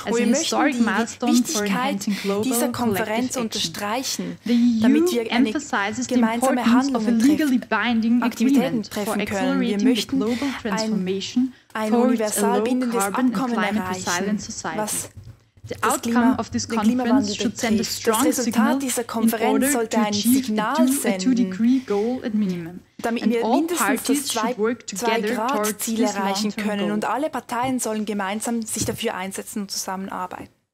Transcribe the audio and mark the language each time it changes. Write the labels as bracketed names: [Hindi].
[German] Und wir möchten die Wichtigkeit dieser Konferenz unterstreichen, damit wir eine gemeinsame Handlung Aktivitäten treffen können. Wir möchten ein universal bindendes Abkommen erreichen, was [English] The outcome of this conference should send a strong signal [German] dieser Konferenz [English] in order [German] sollte ein Signal senden, [English] a 2-degree goal at minimum. [German] Damit wir mindestens das 2-Grad-Ziel erreichen können und alle Parteien sollen gemeinsam sich dafür einsetzen und zusammenarbeiten.